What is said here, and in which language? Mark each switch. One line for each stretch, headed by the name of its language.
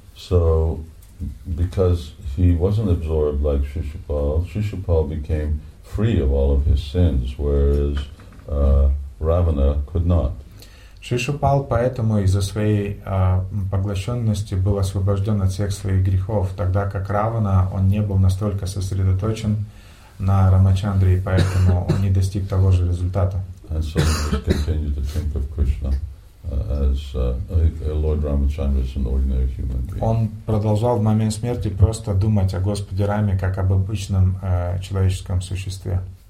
English: So, because he wasn't absorbed like Шишупал, Шишупал became free of all of his sins, whereas Равана could not.
Russian: Шишупал поэтому из-за своей поглощенности был освобожден от всех своих грехов, тогда как Равана, он не был настолько сосредоточен на Рамачандре, и поэтому он не достиг того же результата.
English: And so we just continue to think of Krishna as Lord Ramachandra as an ordinary human being.
Russian: Он продолжал в момент смерти просто думать о Господе Раме как об обычном человеческом существе.